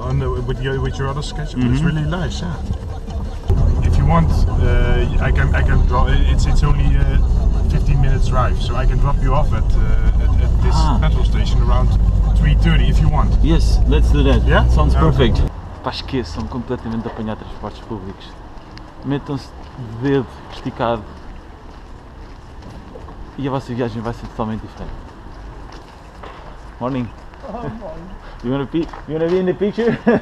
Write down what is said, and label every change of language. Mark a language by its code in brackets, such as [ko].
[en] With your other sketch, mm-hmm. It's really nice. Yeah. If you want, I can drop. It's only 15 minutes drive, so I can drop you off at this petrol station around 3:30 if you want. Yes, let's do that. Yeah. Sounds perfect. [pt] Pá, esqueçam completamente de apanhar transportes públicos. Metam-se dedo esticado. E a vossa viagem vai ser totalmente diferente. [en] Morning. Oh, you wanna be in the picture?